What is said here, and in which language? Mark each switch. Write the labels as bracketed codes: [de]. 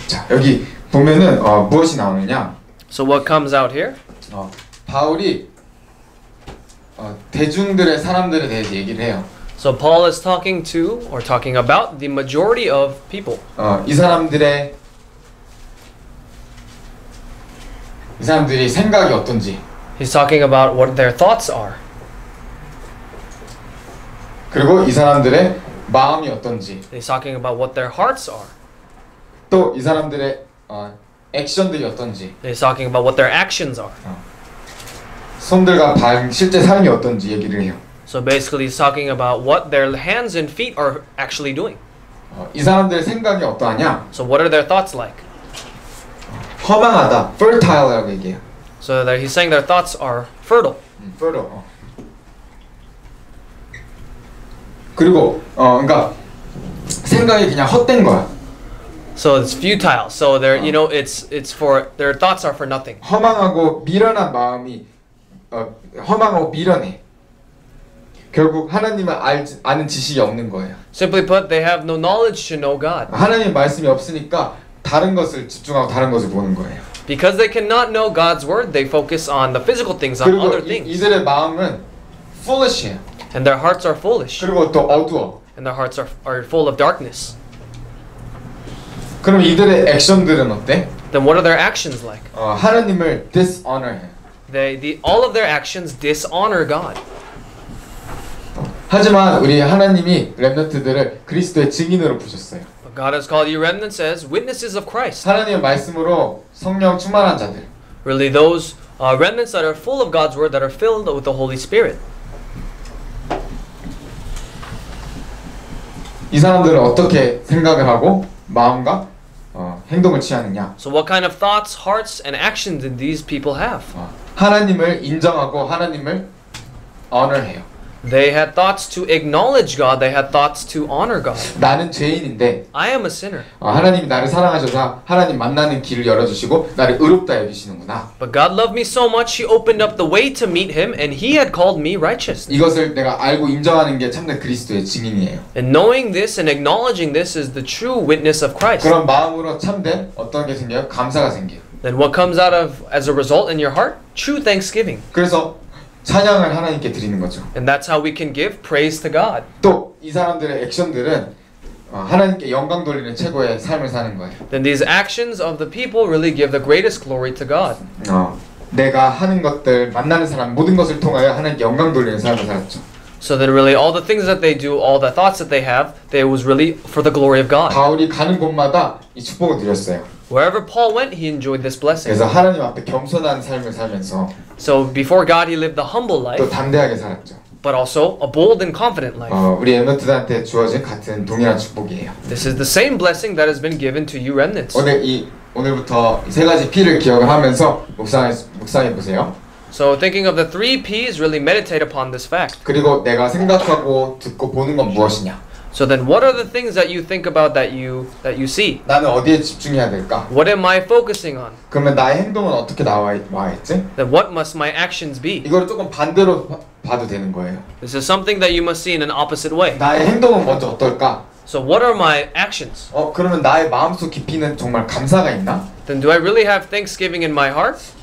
[ko] 여기 보면은 무엇이 나오느냐? [en] So what comes out here? [ko] 바울이 대중들의 사람들에 대해서 얘기를 해요. [en] So Paul is talking to or talking about the majority of people. [ko] 이 사람들이 생각이 어떤지. [en] He's talking about what their thoughts are. [ko] 그리고 이 사람들의 마음이 어떤지. [en] He's talking about what their hearts are. [ko] 또 이 사람들의 액션들이 어떤지. [en] He's talking about what their actions are. [ko] 손들과 발 실제 삶이 어떤지 얘기를 해요. [en] So basically he's talking about what their hands and feet are actually doing. [ko] 이 사람들의 생각이 어떠하냐? [en] So what are their thoughts like? [ko] 허망하다. Fertile라고 얘기해요. [en] So that he's saying their thoughts are fertile. Fertile. [ko] 그리고 그러니까 생각이 그냥 헛된 거야. [en] So it's futile. So they're, you know, it's for their thoughts are for nothing. [ko] 허망하고 미련한 마음이 허망하고 미련해. 결국 하나님을 아는 지식이 없는 거예요. [en] Simply put, they have no knowledge to know God. [ko] 하나님 말씀이 없으니까 다른 것을 집중하고 다른 것을 보는 거예요. [en] Because they cannot know God's word, they focus on the physical things, on other things. [ko] 그리고 이들의 마음은 foolish해요. [en] And their hearts are foolish. [ko] 그리고 또 어두워. [en] And their hearts are full of darkness. [ko] 그럼 이들의 액션들은 어때? [en] Then what are their actions like? [ko] 하나님을 dishonor 해. [en] All of their actions dishonor God. [ko] 하지만 우리 하나님이 렘넌트들을 그리스도의 증인으로 부셨어요. [en] But God has called you remnants as witnesses of Christ. [ko] 하나님의 말씀으로 성령 충만한 자들. [en] Really those remnants that are full of God's word, that are filled with the Holy Spirit. [ko] 이 사람들은 어떻게 생각을 하고 마음과 행동을 취하느냐. [en] So what kind of thoughts, hearts, and actions did these people have? [ko] 하나님을 인정하고 하나님을 honor해요. [en] They had thoughts to acknowledge God. They had thoughts to honor God. [ko] 나는 죄인인데. [en] I am a sinner. [ko] 하나님이 나를 사랑하셔서 하나님 만나는 길을 열어주시고 나를 의롭다 여기시는구나. [en] But God loved me so much, He opened up the way to meet Him, and He had called me righteous. [ko] 이것을 내가 알고 인정하는 게 참된 그리스도의 증인이에요. [en] And knowing this and acknowledging this is the true witness of Christ. [ko] 그런 마음으로 참된 어떤 게 생겨요? 감사가 생겨요. [en] Then what comes out of as a result in your heart? True thanksgiving. [ko] 그래서 찬양을 하나님께 드리는 거죠. [en] And that's how we can give praise to God. [ko] 또 이 사람들의 액션들은 하나님께 영광 돌리는 최고의 삶을 사는 거예요. [en] Then these actions of the people really give the greatest glory to God. [ko] 내가 하는 것들, 만나는 사람, 모든 것을 통하여 하나님께 영광 돌리는 삶을 살았죠. [en] So that really all the things that they do, all the thoughts that they have, they was really for the glory of God. [ko] 바울이 가는 곳마다 이 축복을 드렸어요. [en] Wherever Paul went, he enjoyed this blessing. [ko] 그래서 하나님 앞에 겸손한 삶을 살면서. [en] So before God, he lived the humble life. [ko] 또 담대하게 살았죠. [en] But also a bold and confident life. [ko] 우리 엠넌트들한테 주어진 같은 동일한 축복이에요. [en] This is the same blessing that has been given to you, remnants. [ko] 오늘부터 세 가지 P를 기억을 하면서 묵상해 보세요. [en] So thinking of the three P's, really meditate upon this fact. [ko] 그리고 내가 생각하고 듣고 보는 건 무엇이냐? [en] So then, what are the things that you think about that you see? [ko] 나는 어디에 집중해야 될까? [en] What am I focusing on? [ko] 그러면 나의 행동은 어떻게 나와야지? [en] Then what must my actions be? [ko] 이거를 조금 반대로 봐도 되는 거예요. [en] This is something that you must see in an opposite way. [ko] 나의 행동은 먼저 어떨까? [en] So what are my actions? [ko] 그러면 나의 마음속 깊이는 정말 감사가 있나? [en] Then do I really have thanksgiving in my heart?